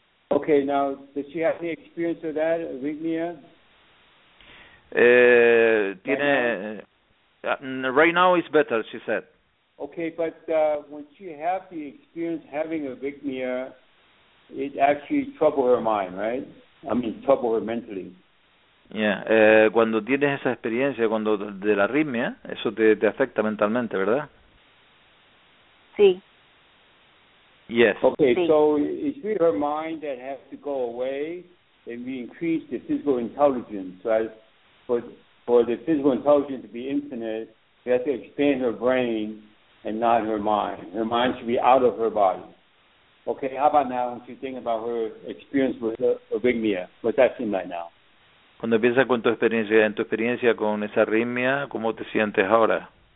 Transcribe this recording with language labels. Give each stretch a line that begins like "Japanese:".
English: Okay, now, does she have any experience of that, arrhythmia?
Spanish: Tiene,
English: right now is better, she said. Okay, but when she have the experience having arrhythmia, it actually trouble her mind, right? I mean, trouble her mentally.
Spanish: Yeah, cuando tienes esa experiencia cuando de la arritmia, eso te afecta mentalmente, ¿verdad? Sí.
English: Yes. Okay,
Spanish: sí.
English: So it's really her mind that has to go away, and we increase the physical intelligence, right? For the physical intelligence to be infinite, we have to expand her brain and not her mind. Her mind should be out of her body. Okay, how about now when you think about her experience with arrhythmia? What's that seem like now?
Spanish: Cuando piensas con tu experiencia, en tu experiencia con esa arritmia, ¿cómo te sientes ahora?